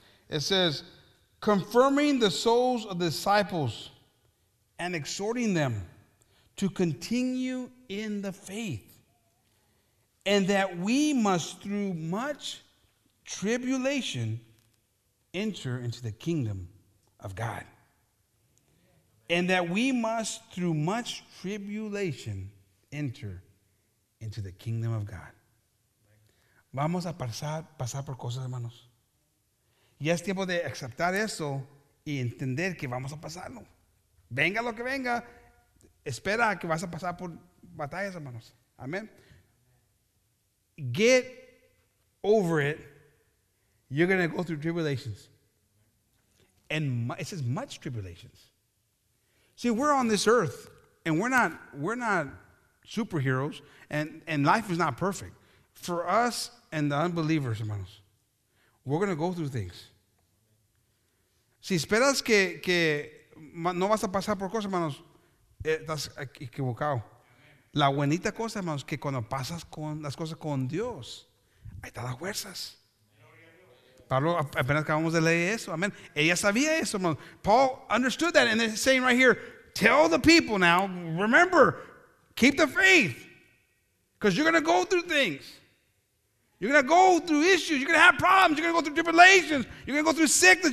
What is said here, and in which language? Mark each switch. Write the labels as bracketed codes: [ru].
[en] It says, confirming the souls of the disciples and exhorting them to continue in the faith, and that we must through much tribulation enter into the kingdom of God. And that we must, through much tribulation, enter into the kingdom of God. [es] Vamos a pasar por cosas, hermanos. Ya es tiempo de aceptar eso y entender que vamos a pasarlo. Venga lo que venga, espera que vas a pasar por batallas, hermanos. [en] Amen. Get over it. You're going to go through tribulations. And it says much tribulations. See, we're on this earth, and we're not superheroes, and life is not perfect. For us and the unbelievers, hermanos, we're going to go through things. [es] Si esperas que no vas a pasar por cosas, hermanos, estás equivocado. La buenita cosa, hermanos, que cuando pasas con las cosas con Dios, ahí están las fuerzas. Pablo, apenas acabamos de leer eso, amén. Ella sabía eso, hermanos. [en] Paul understood that, and they're saying right here, tell the people now, remember, keep the faith. Because you're going to go through things. You're going to go through issues. You're going to have problems. You're going to go through tribulations. You're going to go through sickness.